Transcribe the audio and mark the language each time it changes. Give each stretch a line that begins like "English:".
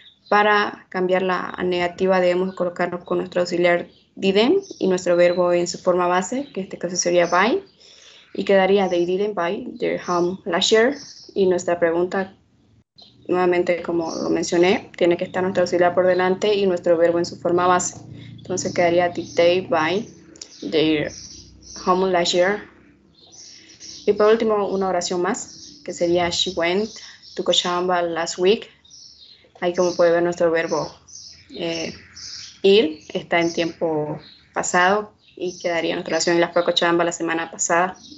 Spanish: Para cambiarla a negativa, debemos colocarlo con nuestro auxiliar didn't y nuestro verbo en su forma base, que en este caso sería buy, y quedaría
English: they didn't buy their home last year.
Spanish: Y nuestra pregunta, nuevamente como lo mencioné, tiene que estar nuestro auxiliar por delante y nuestro verbo en su forma base. Entonces quedaría
English: did they buy their home last year.
Spanish: Y por último, una oración más, que sería
English: she went to Cochabamba last week.
Spanish: Ahí, como puede ver, nuestro verbo ir está en tiempo pasado y quedaría nuestra oración y la fue a Cochabamba la semana pasada.